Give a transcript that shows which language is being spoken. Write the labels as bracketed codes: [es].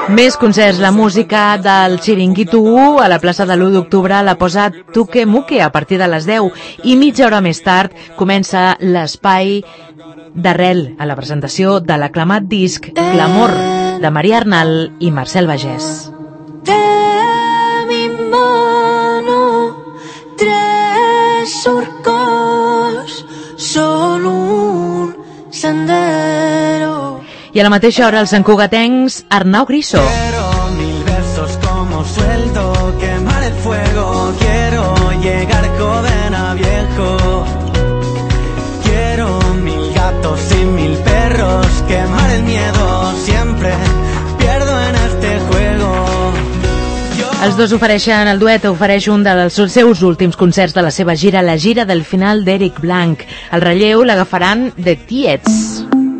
[ca] Més concerts, la música del Xiringuito 1 a la plaça de l'1 d'octubre la posa Tuque Muque a partir de les 10 i mitja hora més tard comença l'espai d'Arrel a la presentació de l'aclamat disc L'amor de Maria Arnal i Marcel Bagés. [es] De mi mano tres surcos son un sendero. [ca] I a la mateixa hora, els santcugatencs, Arnau Griso. [es] Quiero mil versos como suelto, quemar el fuego. Quiero llegar joven a viejo. Quiero mil gatos y mil perros, quemar el miedo. Siempre pierdo en este juego. [ca] Els dos ofereixen, el duet ofereix un dels seus últims concerts de la seva gira, la gira del final d'Eric Blanc. El relleu l'agafaran The Tietz.